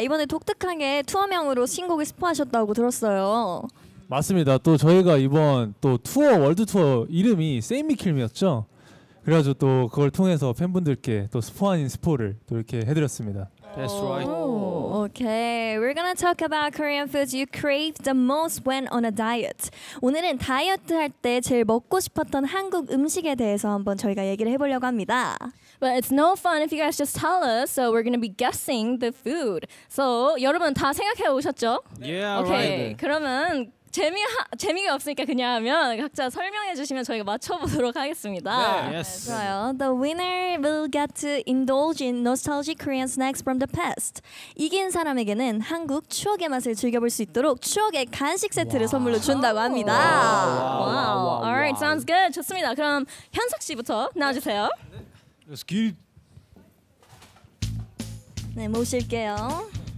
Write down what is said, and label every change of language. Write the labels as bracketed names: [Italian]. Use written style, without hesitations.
[Korean] 이번에 독특하게 투어명으로 신곡을 스포하셨다고 들었어요. 맞습니다. 또 저희가 이번 또 투어, 월드투어 이름이 Save Me Kill Me였죠. 그래가지고 또 그걸 통해서 팬분들께 또 스포 아닌 스포를 또 이렇게 해드렸습니다. [English] That's right. Ooh, okay, we're gonna talk about Korean foods you crave the most when on a diet. [Korean] 오늘은 다이어트 할 때 제일 먹고 싶었던 한국 음식에 대해서 한번 저희가 얘기를 해보려고 합니다. [English] But it's no fun if you guys just tell us, so we're gonna be guessing the food. [Korean] So 여러분 다 생각해 오셨죠? [English] Yeah, okay, [Korean] 그러면 재미가 없으니까 그냥 하면 각자 설명해 주시면 저희가 맞춰보도록 하겠습니다. 네, yes. 좋아요. [English] The winner will get to indulge in nostalgic Korean snacks from the past. [Korean] 이긴 사람에게는 한국 추억의 맛을 즐겨볼 수 있도록 추억의 간식 세트를 선물로 준다고 합니다. [English] 와우. All right, sounds good. [Korean] 좋습니다. 그럼 현석 씨부터 나와주세요. [English] 네. Let's get. [Korean] 네, 모실게요.